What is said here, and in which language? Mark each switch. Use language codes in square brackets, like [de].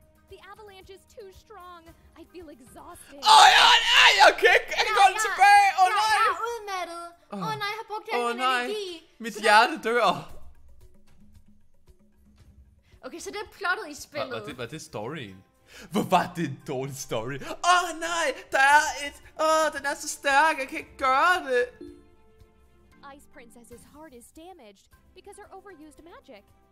[en] The avalanche is too strong. I feel exhausted. [da] Åh ja, nej, jeg kan ikke gå tilbage. Åh oh, nej. Jeg er udmattet. Åh oh. Nej, jeg har brugt al min energi. Mit hjerte dør. Okay, så det er plottet i spillet. Var det storyen? Hvor var det en dårlig story? Åh oh, nej, der er et... Åh, oh, den er så stærk, jeg kan ikke gøre det. [en] Ice Princess's heart is damaged because her overused magic.